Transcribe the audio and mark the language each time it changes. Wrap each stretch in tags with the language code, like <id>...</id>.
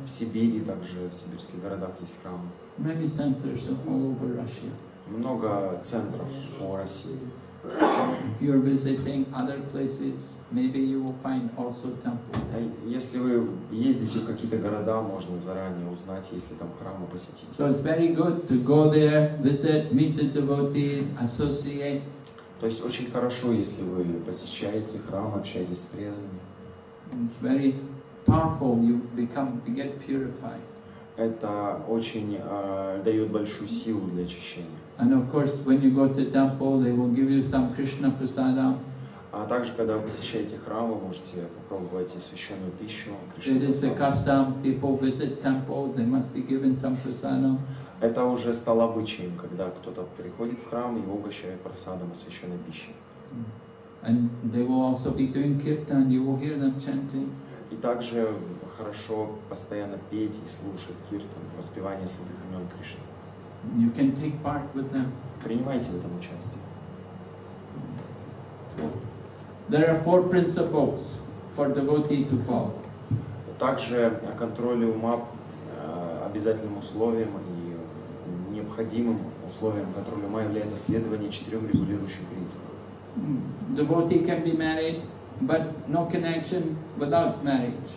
<ru>В Сибири также в сибирских городах есть храм.</ru> <en>Many centers all over Russia.</en> <ru>Много центров по России.</ru> <en>If you're visiting other places, maybe you will find also temple.</en> <ru>Если вы ездите в какие-то города, можно заранее узнать, есть ли там храмы посетить.</ru> <en>So it's very good to go there, visit, meet the devotees, associate.</en> <ru>То есть очень хорошо, если вы посещаете храм, общаетесь с преданными.</ru> <en>It's very powerful. You become, you get purified.</en> <ru>Это очень дает большую силу для очищения.</ru> <en>And of course, when you go to temple, they will give you some Krishna prasadam.</en> <ru>А также когда вы посещаете храм, вы можете попробовать священную пищу.</ru> <en>It is a custom. People visit temple, they must be given some prasadam.</en> <ru>Это уже стало обычаем, когда кто-то приходит в храм и угощает прасадом священной пищей.</ru> <en>And they will also be doing kirtan. You will hear them chanting.</en> <ru>И также хорошо постоянно петь и слушать киртан, воспевание святых имен Кришны.</ru> <en>You can take part with them.</en> <ru>Принимайте в этом участие.</ru> <en>So, there are four principles for devotee to follow.</en> <ru>Также о контроле ума обязательным условием и необходимым условием контроля ума является следование четырем регулирующим принципам.</ru> <en>Devotee can be married, but no connection without marriage.</en>